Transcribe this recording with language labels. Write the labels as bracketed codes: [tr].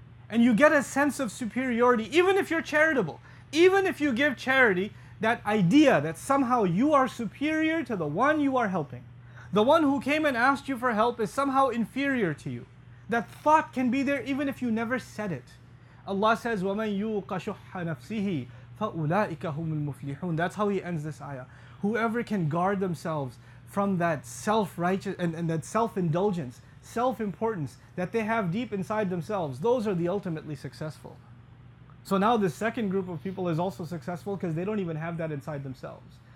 [en] And you get a sense of superiority, even if you're charitable. Even if you give charity, that idea that somehow you are superior to the one you are helping. The one who came and asked you for help is somehow inferior to you. That thought can be there even if you never said it. Allah says, [ar] وَمَن يُوقَ شُحَّ نَفْسِهِ فَأُولَٰئِكَ هُمُ الْمُفْلِحُونَ. [en] That's how he ends this ayah. Whoever can guard themselves from that self-righteous and that self-indulgence, self-importance that they have deep inside themselves, those are the ultimately successful. So now the second group of people is also successful because they don't even have that inside themselves.